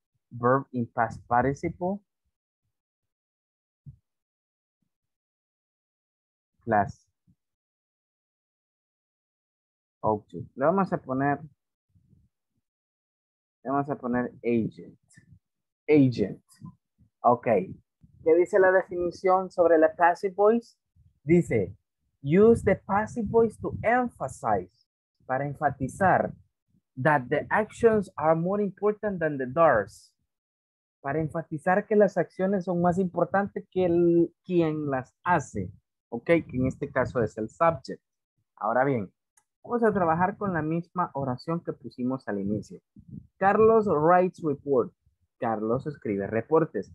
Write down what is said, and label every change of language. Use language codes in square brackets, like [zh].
[en] Verb in past participle, plus object. [es] Le vamos a poner agent. [en] Agent, okay. [es] ¿Qué dice la definición sobre la passive voice? Dice, [en] use the passive voice to emphasize, [es] para enfatizar, [en] that the actions are more important than the doors. [es] para enfatizar que las acciones son más importantes que el quien las hace, ¿ok? Que en este caso es el subject. Ahora bien, vamos a trabajar con la misma oración que pusimos al inicio. [en] Carlos writes report. [es] Carlos escribe reportes.